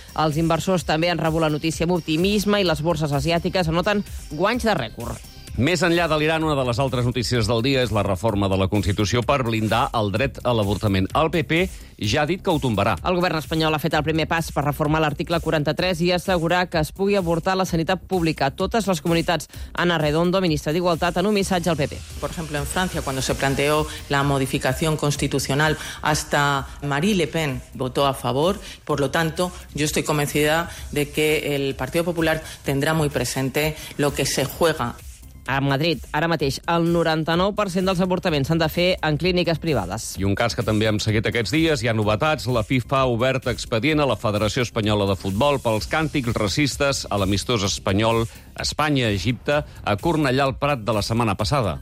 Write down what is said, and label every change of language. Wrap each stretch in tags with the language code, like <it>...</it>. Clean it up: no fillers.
<ca>Els inversors també han rebut la notícia amb optimisme i les borses asiàtiques anoten guanys de rècord. Més enllà de l'Iran, una de les altres notícies del dia és la reforma de la Constitució per blindar el dret a l'avortament. El PP ja ha dit que ho tombarà. El govern espanyol ha fet el primer pas per reformar l'article 43 i assegurar que es pugui avortar la sanitat pública. Totes les comunitats. Ana Redondo, ministra d'Igualtat, en un missatge al PP.</ca> <es>Por ejemplo, en Francia, cuando se planteó la modificación constitucional, hasta Marine Le Pen votó a favor. Por lo tanto, yo estoy convencida de que el Partido Popular tendrá muy presente lo que se juega.</es> <ca>A Madrid, ara mateix, el 99% dels avortaments s'han de fer en clíniques privades. I un cas que també hem seguit aquests dies, hi ha novetats. La FIFA ha obert expedient a la Federació Espanyola de Futbol pels càntics racistes a l'amistós espanyol Espanya-Egipte a Cornellà al Prat de la setmana passada.</ca>